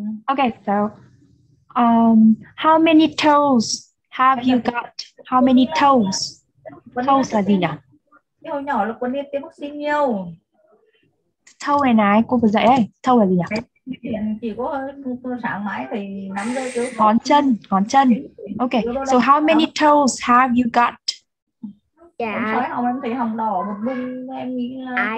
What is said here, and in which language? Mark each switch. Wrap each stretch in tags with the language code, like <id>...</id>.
<en>Okay, so how many toes have you got? How many toes?</en> <vi>Toes là gì nhỉ? Cái hồi nhỏ là con đi tiêm vaccine nhiều. Toe này này, cô vừa dạy đây. Toe là gì nhỉ? Ngón chân, ngón chân.</vi> <en>Okay, so how many toes have you got?</en> <vi>Dạ.</vi> <en>Yeah.</en> <vi>Em thấy hồng đỏ một bên, em nghĩ là</vi>